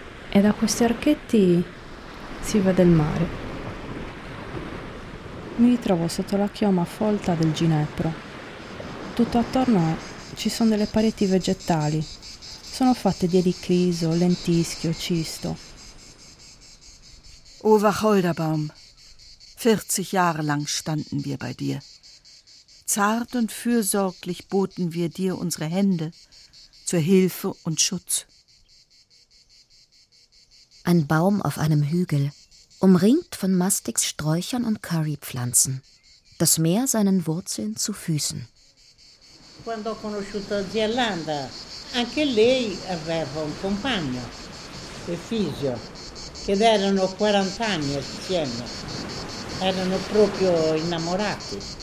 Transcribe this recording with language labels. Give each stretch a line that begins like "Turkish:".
Italian: E da questi archetti si vede il mare. Mi ritrovo sotto la chioma folta del ginepro. Tutto attorno ci sono delle pareti vegetali. Sono fatte di elicriso, lentischio, cisto.
German: O Wacholderbaum, 40 Jahre lang standen wir bei dir. Zart und fürsorglich boten wir dir unsere Hände zur Hilfe und Schutz. Ein Baum auf einem Hügel, umringt von Mastix Sträuchern und Currypflanzen, das Meer seinen Wurzeln zu Füßen.
Italian: Quando ho conosciuto zia Landa, anche lei aveva un compagno, Efisio, ed erano 40 anni assieme. Erano proprio innamorati.